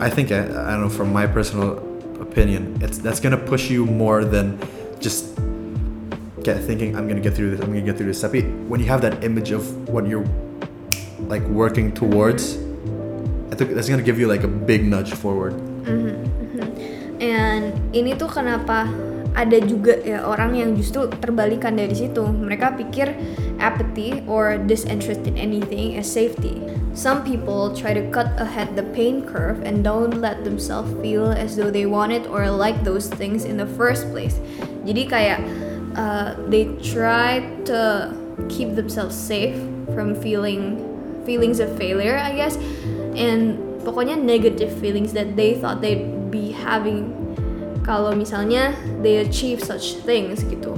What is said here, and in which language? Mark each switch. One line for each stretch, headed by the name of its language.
English: I think, I don't know, from my personal opinion, that's gonna push you more than just thinking I'm gonna get through this.
Indonesian: Tapi
English: when you have that image of what you're like working towards, I think that's gonna give you like a big nudge forward. Mm-hmm. And
Indonesian: ini tuh kenapa ada juga ya orang yang justru terbalikan dari situ. Mereka pikir
English: apathy or disinterest in anything is safety. Some people try to cut ahead the pain curve and don't let themselves feel as though they want it or like those things in the first place.
Indonesian: Jadi kayak
English: they try to keep themselves safe from feelings of failure, I guess, and
Indonesian: pokoknya
English: negative feelings that they thought they'd be having
Indonesian: kalau misalnya
English: they achieve such things
Indonesian: gitu.